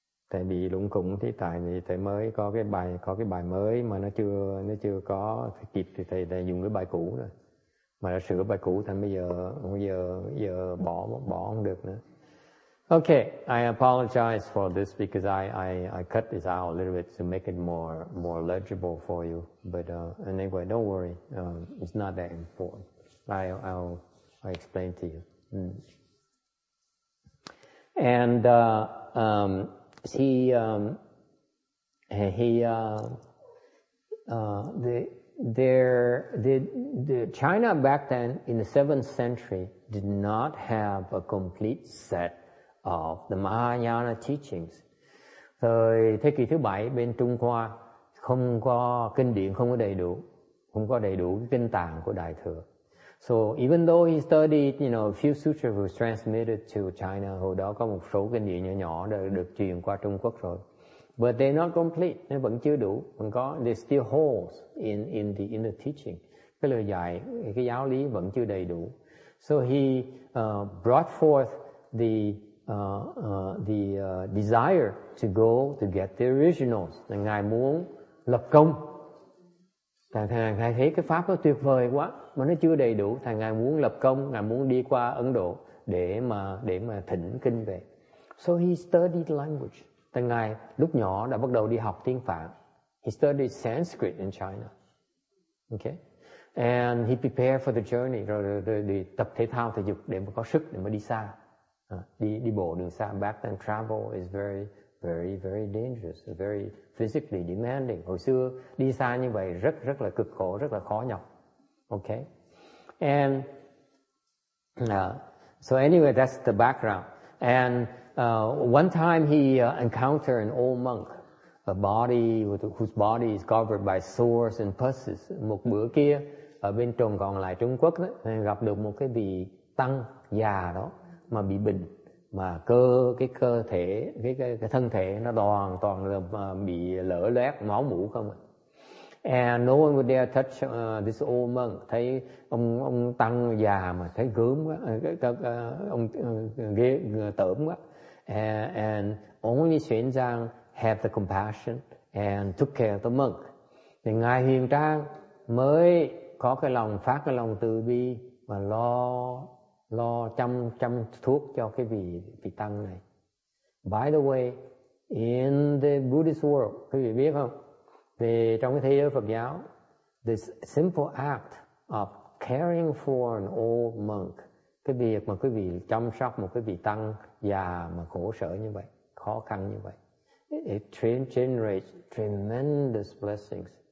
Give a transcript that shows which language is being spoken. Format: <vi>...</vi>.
<vi>Tại vì lúng cũng thì tại vì thầy mới có cái bài mới mà nó chưa có kịp thì thầy dùng cái bài cũ rồi. Mà đã sửa bài cũ thành bây giờ bỏ không được nữa.</vi> <en>Okay, I apologize for this because I cut this out a little bit to make it more legible for you. But anyway, don't worry. It's not that important. I'll explain to you. Mm. And the China back then in the 7th century did not have a complete set of the Mahayana teachings.</en> <vi>Thời thế kỷ thứ bảy bên Trung Hoa không có kinh điển, không có đầy đủ kinh tạng của Đại Thừa.</vi> <en>So even though he studied, you know, a few sutras were transmitted to China,</en> <vi>hồi đó có một số kinh điển nhỏ đã được truyền qua Trung Quốc rồi.</vi> <en>But they're not complete,</en> <vi>nó vẫn chưa đủ, vẫn có,</vi> <en>there's still holes in the teaching.</en> <vi>Cái lời dạy, cái giáo lý vẫn chưa đầy đủ.</vi> <en>So he brought forth the desire to go to get the originals.</en> <vi>Ngài muốn lập công. Ngài thấy cái pháp nó tuyệt vời quá mà nó chưa đầy đủ, thành ngài muốn lập công, ngài muốn đi qua Ấn Độ để mà thỉnh kinh về.</vi> <en>So he studied language.</en> <vi>Thành ngài lúc nhỏ đã bắt đầu đi học tiếng Phạn.</vi> <en>He studied Sanskrit in China. Okay. And he prepared for the journey,</en> <vi>rồi tập thể thao thể dục để mà có sức để mà đi xa. Đi bộ đường xa,</vi> <en>back then travel is very very very dangerous, very physically demanding.</en> <vi>Hồi xưa đi xa như vậy rất rất là cực khổ, rất là khó nhọc.</vi> <en>Okay. And so anyway, that's the background. And one time he encountered an old monk, whose body is covered by sores and pus.</en> <vi>Một bữa kia ở bên trồng còn lại Trung Quốc đó, gặp được một cái vị tăng già đó mà bị bệnh, mà cơ thể cái thân thể nó toàn là bị lở loét máu mủ không ạ.</vi> <en>And no one would dare touch this old monk.</en> <vi>Thấy ông tăng già mà thấy gớm quá, ông ghê tởm quá.</vi> <en>And only Xuyên Giang had the compassion and took care of the monk.</en> <vi>Thì Ngài Huyền Trang mới có cái lòng, phát cái lòng từ bi mà lo chăm thuốc cho cái vị tăng này.</vi> <en>By the way, in the Buddhist world,</en> <vi>quý vị biết không? Thì trong cái thế giới Phật giáo,</vi> <en>this simple act of caring for an old monk,</en> <vi>cái việc mà quý vị chăm sóc một cái vị tăng già mà khổ sở như vậy, khó khăn như vậy,</vi> <en>it generates tremendous blessings.</en>